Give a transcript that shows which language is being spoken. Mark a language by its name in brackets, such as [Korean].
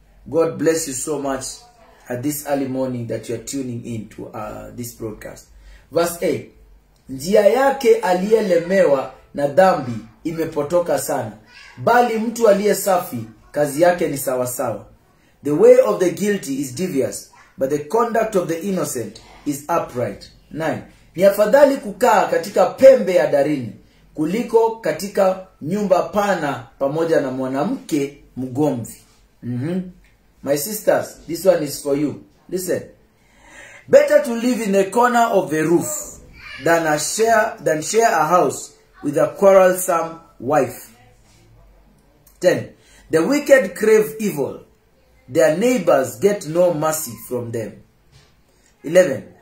[English] God bless you so much at this early morning that you are tuning in to this broadcast. Verse 8. [Swahili] Njia yake aliyelemewa na dhambi imepotoka sana, bali mtu aliye safi kazi yake ni sawa sawa. [English] The way of the guilty is devious, but the conduct of the innocent is upright. 9. [Swahili] Ni afadhali kukaa katika pembe ya darini kuliko katika nyumba pana pamoja na mwanamke mgomvi. Mm-hmm. [English] My sisters, this one is for you. Listen. Better to live in a corner of a roof than share a house with a quarrelsome wife. 10. The wicked crave evil. Their neighbors get no mercy from them. 11.